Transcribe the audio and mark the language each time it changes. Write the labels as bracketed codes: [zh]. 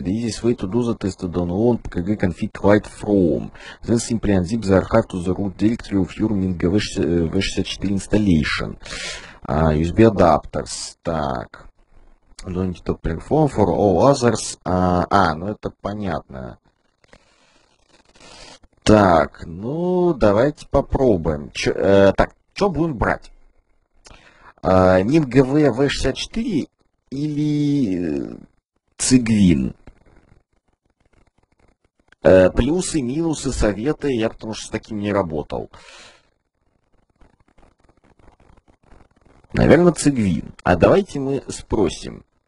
[en] The easiest way to do that is to download PKG config right from. Then simply unzip the archive to the root directory of your MinGV V64 installation. USB adapters. [ru] Так. [en] Don't need to perform for all others. [ru] Ну это понятно. Так, ну давайте попробуем. Так, что будем брать? MinGV V64 или Cygwin? Плюсы, минусы, советы. Я потому что с таким не работал. Наверное, Cygwin. А давайте мы спросим.